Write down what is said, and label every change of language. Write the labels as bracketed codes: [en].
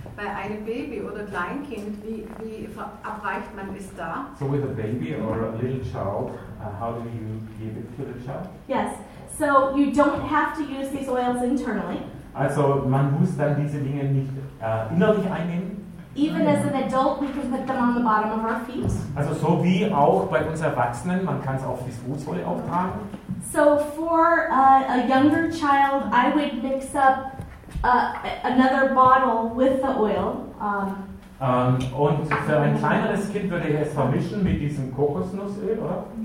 [de] Bei einem Baby oder Kleinkind, wie verabreicht man es da? [en] So with a baby or a little child, how do you give it to the child? Yes. So you don't have to use these oils internally. [de] Also man muss dann diese Dinge nicht innerlich einnehmen. [en] Even as an adult, we can put them on the bottom of our feet. [de] Also so wie auch bei uns Erwachsenen, man kann es auf die Fußsohle auftragen. [en] So for a younger child, I would mix up another bottle with the oil. [de] Und für ein kleineres Kind würde ich es vermischen mit diesem Kokosnussöl, oder?